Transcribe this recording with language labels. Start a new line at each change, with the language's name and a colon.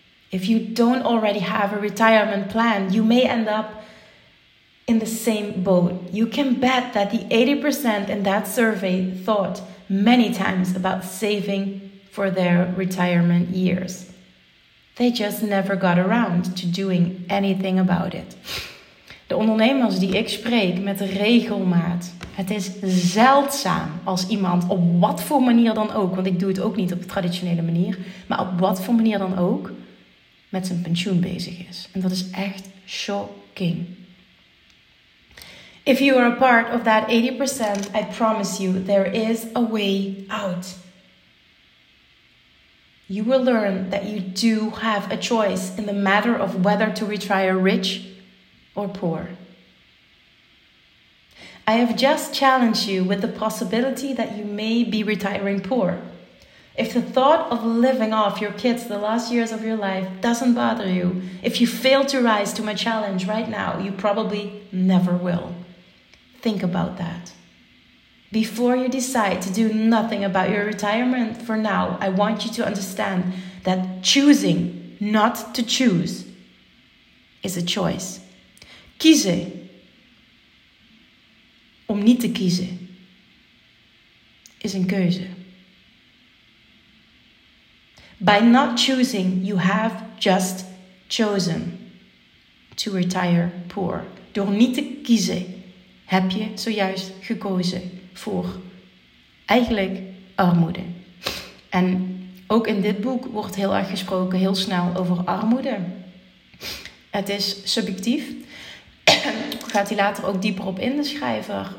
English: If you don't already have a retirement plan, you may end up in the same boat. You can bet that the 80% in that survey thought many times about saving for their retirement years. They just never got around to doing anything about it.
Dutch: De ondernemers die ik spreek met regelmaat. Het is zeldzaam als iemand op wat voor manier dan ook. Want ik doe het ook niet op de traditionele manier. Maar op wat voor manier dan ook met zijn pensioen bezig is. En dat is echt shocking.
English: If you are a part of that 80%, I promise you there is a way out. You will learn that you do have a choice in the matter of whether to retire rich or poor. I have just challenged you with the possibility that you may be retiring poor. If the thought of living off your kids the last years of your life doesn't bother you, if you fail to rise to my challenge right now, you probably never will. Think about that. Before you decide to do nothing about your retirement for now, I want you to understand that choosing not to choose is a choice.
Dutch: Kiezen om niet te kiezen is een keuze.
English: By not choosing, you have just chosen to retire poor.
Dutch: Door niet te kiezen heb je zojuist gekozen voor eigenlijk armoede. En ook in dit boek wordt heel erg gesproken heel snel over armoede. Het is subjectief. Gaat hij later ook dieper op in, de schrijver.